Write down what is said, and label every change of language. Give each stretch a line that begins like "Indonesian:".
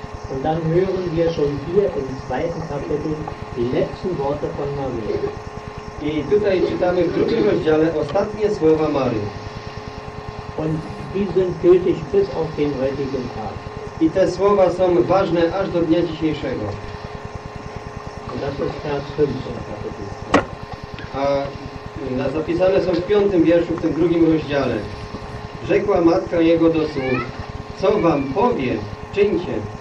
German: Und dann hören wir schon hier im zweiten Kapitel die letzten Worte von Maria.
Polish: I tutaj czytamy w drugim rozdziale ostatnie słowa Marii.
German: Und die sind gültig bis auf den heutigen Tag.
Polish: I te słowa są ważne aż do dnia dzisiejszego.
German: Und das ist Vers 15 Kapitel.
Polish: A zapisane są w piątym wierszu w tym drugim rozdziale. Rzekła matka jego do sług: co wam powie, czyńcie.